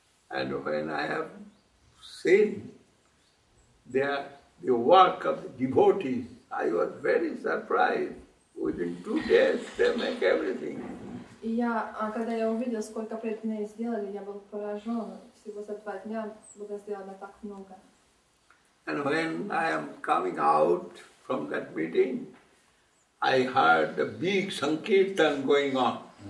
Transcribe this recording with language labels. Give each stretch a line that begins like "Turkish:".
English: And when I have seen the work of the devotees, I was very surprised. Within 2 days, they make everything.
Russian: И я, когда я увидел, сколько преданные сделали, я был поражен. Всего за два дня было сделано так много.
English: And when I am coming out from that meeting, I heard the big sankirtan going on.